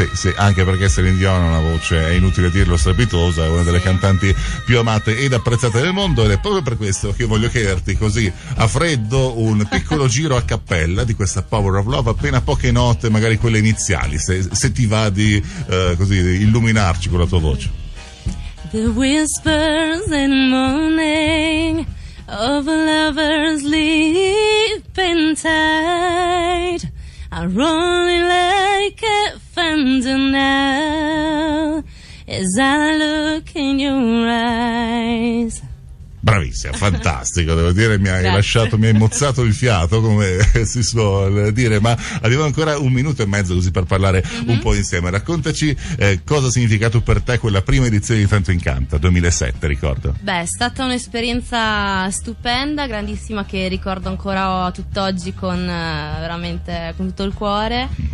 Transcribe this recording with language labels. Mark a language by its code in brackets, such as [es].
[it] Sì, sì, anche perché Celine Dion ha una voce, è inutile dirlo, strepitosa, è una delle cantanti più amate ed apprezzate del mondo, ed è proprio per questo che voglio chiederti così a freddo un piccolo giro a cappella di questa Power of Love, appena poche note, magari quelle iniziali, se ti va di così illuminarci con la tua voce. [en] The whispers and moaning of lovers sleeping tight are rolling like a thunder now as I look in your eyes. [it] Bravissima, fantastico, devo dire, mi hai lasciato, mi hai mozzato il fiato, come si suol dire, ma abbiamo ancora un minuto e mezzo così per parlare un po' insieme. Raccontaci cosa ha significato per te quella prima edizione di Trento Incanta, 2007, ricordo. Beh, è stata un'esperienza stupenda, grandissima, che ricordo ancora tutt'oggi con veramente con tutto il cuore.